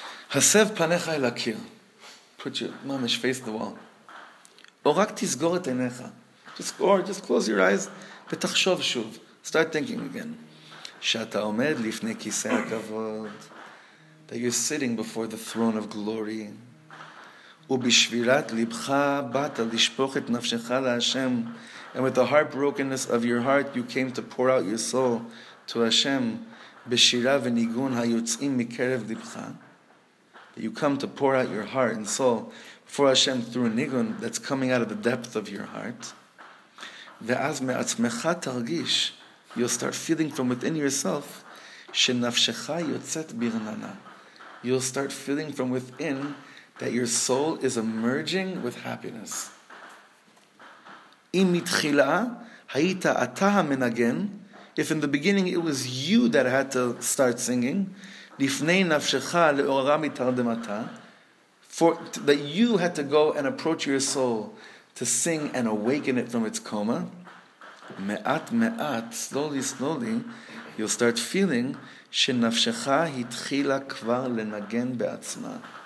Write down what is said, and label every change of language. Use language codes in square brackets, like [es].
[he] Hasev panecha el akir. [en] Put your mamish face to the wall. [he] Orak tisgor et einecha. [en] Just close your eyes. [he] Betachshov shuv. [en] Start thinking again. [he] Shata omed lifne kisei hakavod. [en] That you're sitting before the throne of glory. [he] ובשבירת לבך באת לשפוך את נפשך להשם. [en] And with the heartbrokenness of your heart, you came to pour out your soul to Hashem. [he] בשירה וניגון היוצאים מקרב לבך. [en] That you come to pour out your heart and soul for Hashem through a nigun that's coming out of the depth of your heart. [he] ואז מעצמך תרגיש, [en] you'll start feeling from within yourself, [he] שנפשך יוצאת ברננה. [en] You'll start feeling from within that your soul is emerging with happiness. [he] אם מתחילה היית אתה המנגן, [en] if in the beginning it was you that had to start singing, [he] לפני נפשך לאורה מתרדמתה, [en] that you had to go and approach your soul to sing and awaken it from its coma, [he] מעט מעט, [en] slowly, slowly, you'll start feeling [he] שנפשך התחילה כבר לנגן בעצמה.